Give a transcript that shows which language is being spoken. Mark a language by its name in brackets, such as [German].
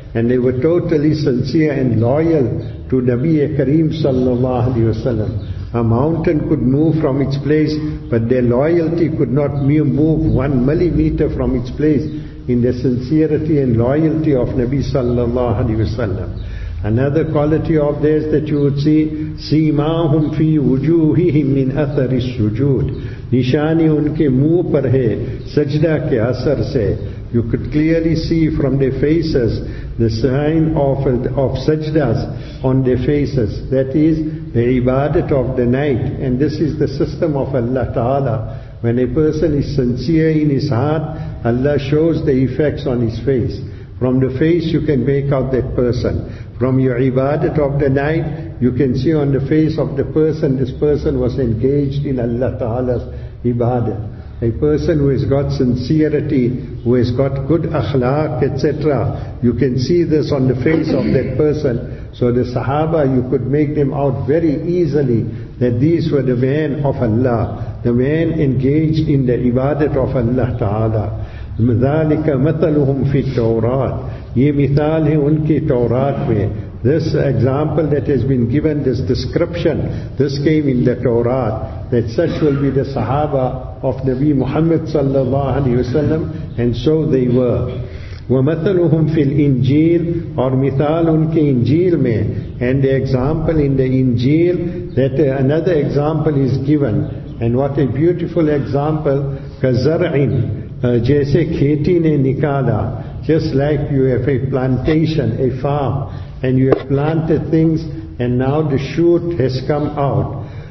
[English] And they were totally sincere and loyal to Nabi Kareem sallallahu alaihi wasallam. A mountain could move from its place, but their loyalty could not move one millimeter from its place in the sincerity and loyalty of Nabi sallallahu alaihi wasallam. Another quality of theirs that you would see, [Arabic] سِيمَاهُمْ فِي وُجُوهِهِمْ مِنْ أَثَرِ السُّجُودِ, [Urdu] نشانی ان کے موہ پر ہے سجدہ کے اثر سے. [English] You could clearly see from their faces the sign of sajdas on their faces. That is the ibadat of the night. And this is the system of Allah Ta'ala. When a person is sincere in his heart, Allah shows the effects on his face. From the face you can make out that person. From your ibadat of the night, you can see on the face of the person, this person was engaged in Allah Ta'ala's ibadat. A person who has got sincerity, who has got good akhlaq, etc. You can see this on the face of that person. So the Sahaba, you could make them out very easily that these were the men of Allah, the men engaged in the ibadat of Allah Ta'ala. [Arabic] ذَلِكَ مَثَلُهُمْ فِي التَّوْرَاتِ [Urdu] یہ مثال ہے ان کی تورات میں. [English] This example that has been given, this description, this came in the Torah, that such will be the Sahaba of Nabi Muhammad sallallahu alayhi wa sallam, and so they were. [Arabic] وَمَثَلُهُمْ فِي الْإِنْجِيلِ [Urdu] اور مثال ان کے انجیل میں. [English] And the example in the انجیل, that another example is given. And what a beautiful example, [Arabic] كَزَرْعٍ [Urdu] جیسے کھیتی نے نکالا. [English] Just like you have a plantation, a farm, and you have planted things, and now the shoot has come out.